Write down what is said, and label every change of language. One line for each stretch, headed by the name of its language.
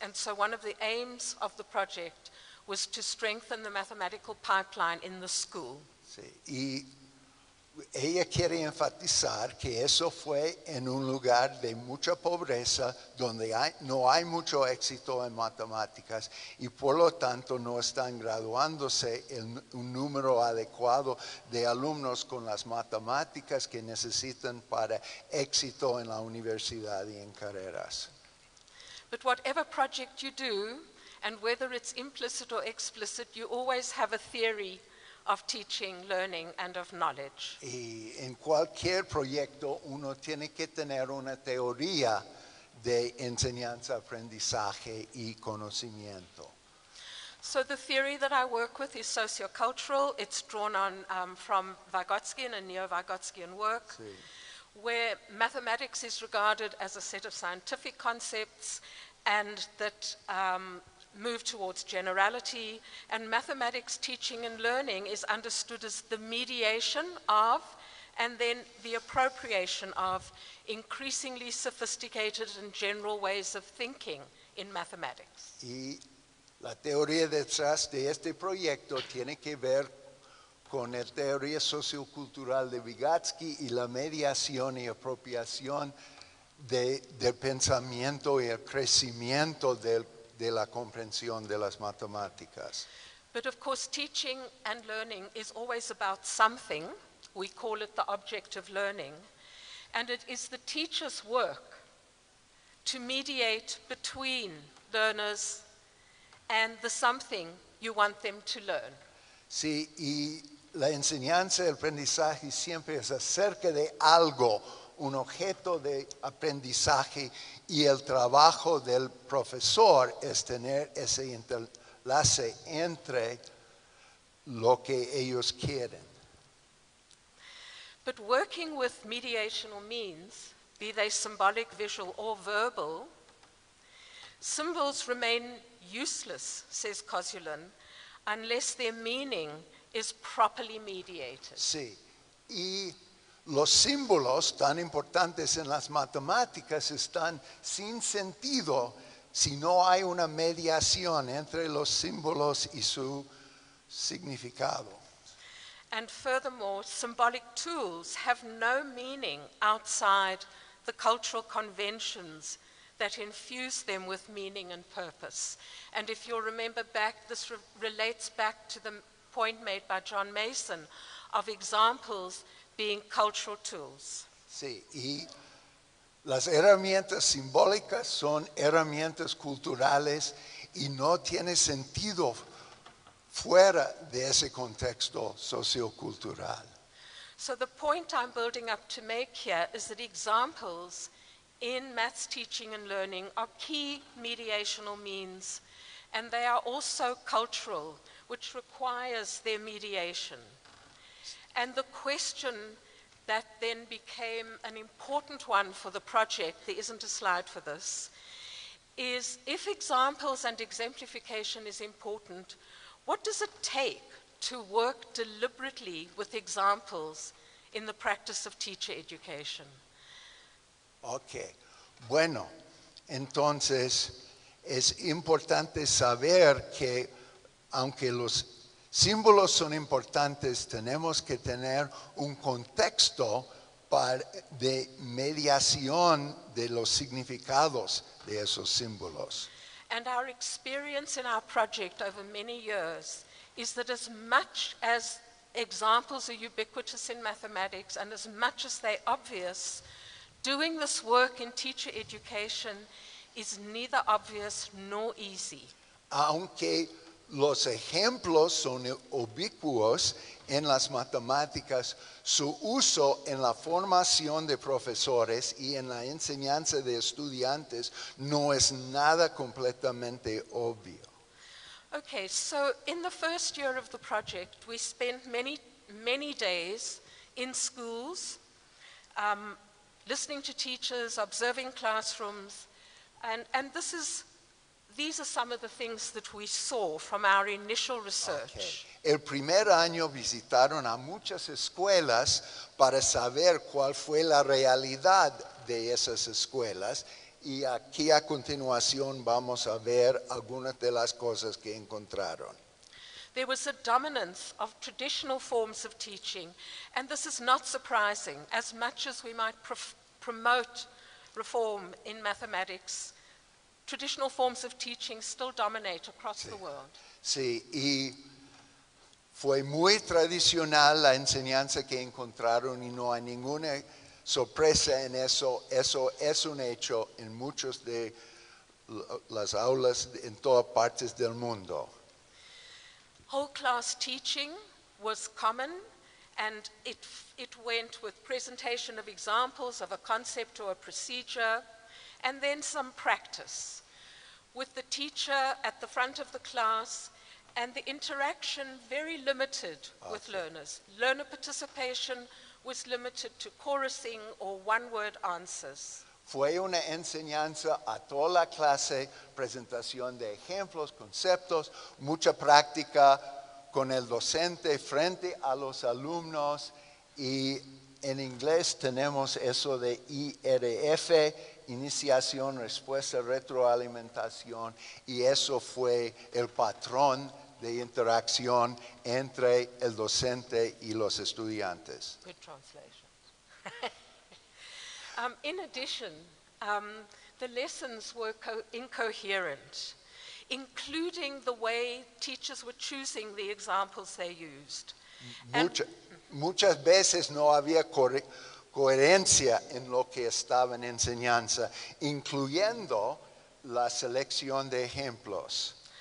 English: And so one of the aims of the project was to strengthen the mathematical pipeline in the school.
Spanish: Sí. Y ella quiere enfatizar que eso fue en un lugar de mucha pobreza, donde no hay mucho éxito en matemáticas, y por lo tanto no están graduándose un número adecuado de alumnos con las matemáticas que necesitan para éxito en la universidad y en carreras.
English: But whatever project you do, and whether it's implicit or explicit, you always have a theory of teaching, learning, and of knowledge.
Spanish: Y en cualquier proyecto uno tiene que tener una teoría de enseñanza, aprendizaje y conocimiento.
English: So the theory that I work with is sociocultural. It's drawn on from Vygotskian and neo-Vygotskian work.
Spanish: Sí.
English: Where mathematics is regarded as a set of scientific concepts and that move towards generality, and mathematics teaching and learning is understood as the mediation of and then the appropriation of increasingly sophisticated and general ways of thinking in mathematics.
Spanish: Y la teoría detrás de este proyecto tiene que ver con la teoría sociocultural de Vygotsky y la mediación y apropiación del pensamiento y el crecimiento de la comprensión de las matemáticas.
English: But of course, teaching and learning is always about something. We call it the object of learning. And it is the teacher's work to mediate between learners and the something you want them to learn.
Spanish: Sí, y la enseñanza, el aprendizaje siempre es acerca de algo, un objeto de aprendizaje, y el trabajo del profesor es tener ese enlace entre lo que ellos quieren.
English: But working with mediational means, be they symbolic, visual, or verbal, symbols remain useless, says Kosulin, unless their meaning is properly mediated.
Spanish: Sí, y los símbolos tan importantes en las matemáticas están sin sentido si no hay una mediación entre los símbolos y su significado.
English: And furthermore, symbolic tools have no meaning outside the cultural conventions that infuse them with meaning and purpose. And if you'll remember back, this relates back to the point made by John Mason of examples being cultural tools.
Spanish: Sí, y las herramientas simbólicas son herramientas culturales y no tiene sentido fuera de ese contexto sociocultural.
English: So the point I'm building up to make here is that examples in maths teaching and learning are key mediational means, and they are also cultural, which requires their mediation. And the question that then became an important one for the project, there isn't a slide for this, is if examples and exemplification is important, what does it take to work deliberately with examples in the practice of teacher education?
Spanish: Okay, bueno, entonces es importante saber que aunque los símbolos son importantes, tenemos que tener un contexto de mediación de los significados de esos símbolos.
English: And our experience in our project over many years is that as much as examples are ubiquitous in mathematics and as much as they're obvious, doing this work in teacher education is neither obvious nor easy.
Spanish: Aunque los ejemplos son ubicuos en las matemáticas, su uso en la formación de profesores y en la enseñanza de estudiantes no es nada completamente obvio.
English: Okay, so in the first year of the project, we spent many, many days in schools, listening to teachers, observing classrooms, and this is, these are some of the things that we saw from our initial research. Okay.
Spanish: El primer año visitaron a muchas escuelas para saber cuál fue la realidad de esas escuelas. Y aquí a continuación vamos a ver algunas de las cosas que encontraron.
English: There was a dominance of traditional forms of teaching, and this is not surprising. As much as we might promote reform in mathematics, traditional forms of teaching still dominate across the world.
Spanish: Sí, y fue muy tradicional la enseñanza que encontraron y no hay ninguna sorpresa en eso. Eso es un hecho en muchas de las aulas en todas partes del mundo.
English: Whole class teaching was common, and it went with presentation of examples of a concept or a procedure, and then some practice, with the teacher at the front of the class and the interaction very limited with learners. Learner participation was limited to chorusing or one-word answers.
Spanish: Fue una enseñanza a toda la clase, presentación de ejemplos, conceptos, mucha práctica con el docente frente a los alumnos, y en inglés tenemos eso de IRF, iniciación, respuesta, retroalimentación, y eso fue el patrón de interacción entre el docente y los estudiantes.
English: Good translation. In addition, the lessons were incoherent, including the way teachers were choosing the examples they used.
Spanish: Muchas veces no había coherencia en lo que estaba en enseñanza, incluyendo la selección de ejemplos.